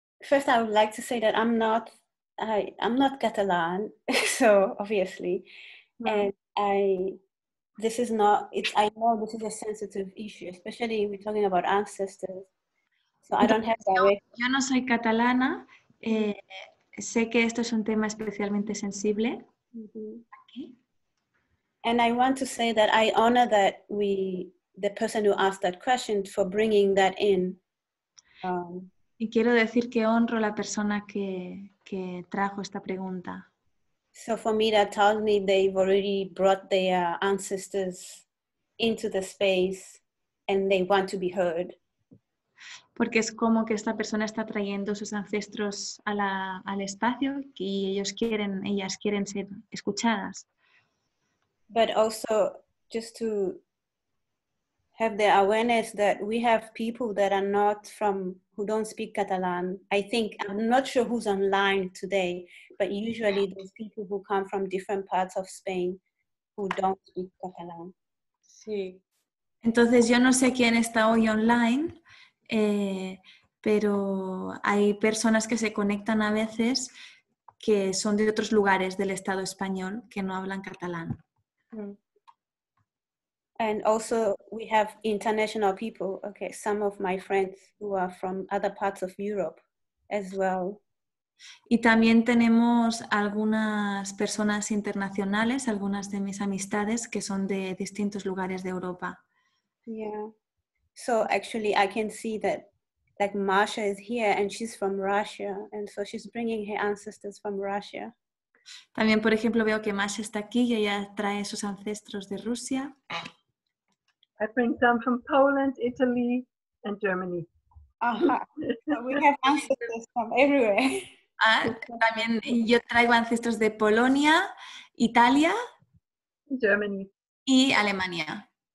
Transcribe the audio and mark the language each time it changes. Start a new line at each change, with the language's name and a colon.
English: First, I would like to say that I'm not Catalan, so, obviously. Mm-hmm. And I know this is a sensitive issue, especially we're talking about ancestors. So I don't have that way.
Spanish: Yo no soy catalana. Sé que esto es un tema especialmente sensible.
English: And I want to say that I honor that the person who asked that question for bringing that in.
Spanish: Y quiero decir que honro la persona que trajo esta pregunta.
English: So for me, that tells me they've already brought their ancestors into the space and they want to be heard.
Spanish: porque es como que esta persona está trayendo sus ancestros a la, al espacio y ellos quieren, ellas quieren ser escuchadas.
English: But also just to have the awareness that we have people that are not from, who don't speak Catalan. I think, I'm not sure who's online today, but usually those people who come from different parts of Spain who don't speak Catalan.
Spanish: Sí. Entonces, yo no sé quién está hoy online, pero hay personas que se conectan a veces que son de otros lugares del Estado español que no hablan catalán.
English: And also we have international people, okay, some of my friends who are from other parts of Europe as well.
Spanish: Y también tenemos algunas personas internacionales, algunas de mis amistades que son de distintos lugares de Europa.
English: Yeah. So actually I can see that like Marcia is here and she's from Russia, and so she's bringing her ancestors from Russia.
Spanish: También, por ejemplo, veo que Masha está aquí y ella trae sus ancestros de Rusia.
English: I bring some from Poland, Italy, and Germany. Uh-huh. So we have ancestors from everywhere.
Spanish: También yo traigo ancestros de Polonia, Italia,
English: Germany,
Spanish: y Alemania.